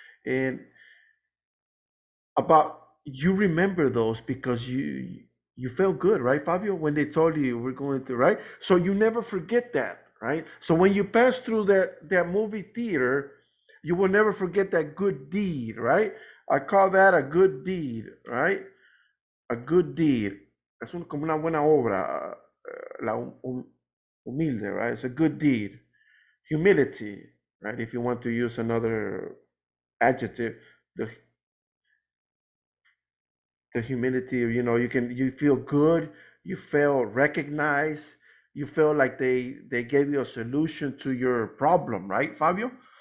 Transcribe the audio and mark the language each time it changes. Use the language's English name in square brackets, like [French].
[English] And about, you remember those because you felt good, right, Fabio? When they told you we're going to, right? So you never forget that, right? So when you pass through that movie theater, you will never forget that good deed, right? I call that a good deed, right? A good deed. [Spanish] Es como una buena obra, la humilde, right? [English] It's a good deed. Humility, right? If you want to use another adjective, the humility, you know, you feel good, you feel recognized, you feel like they gave you a solution to your problem, right, Fabio?